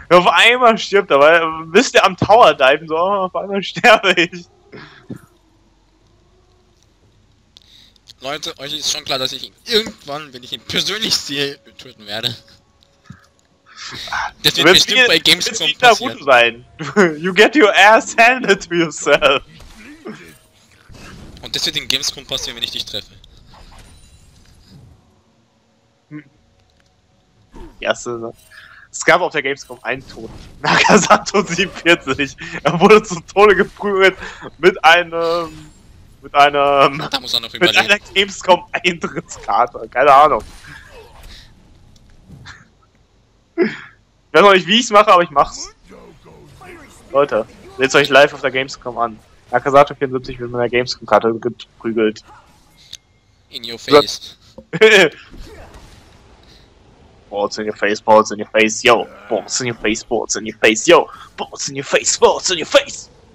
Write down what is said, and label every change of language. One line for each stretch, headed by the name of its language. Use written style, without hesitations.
German: Auf einmal stirbt er, weil müsste am Tower diven, so auf einmal sterbe ich. Leute, euch ist schon klar, dass ich ihn irgendwann, wenn ich ihn persönlich sehe, töten werde. Das wird bestimmt bei Gamescom passieren. Sein.
English: You get your ass handed to yourself.
German: Und das wird in Gamescom passieren, wenn ich dich treffe. Es gab auf der Gamescom einen Tod. Nakasato 47. Er wurde zu Tode geprügelt mit einem. Da muss er noch mit einer Gamescom Eintrittskarte. Keine Ahnung. Ich weiß noch nicht, wie ich es mache, aber ich mach's. Leute, seht euch live auf der Gamescom an. Akasato 74 mit meiner Gamescom-Karte geprügelt.
English: In your face. Balls in your face, balls in your face, yo. Balls in your face, balls in your face, yo. Balls in your face, balls in your face.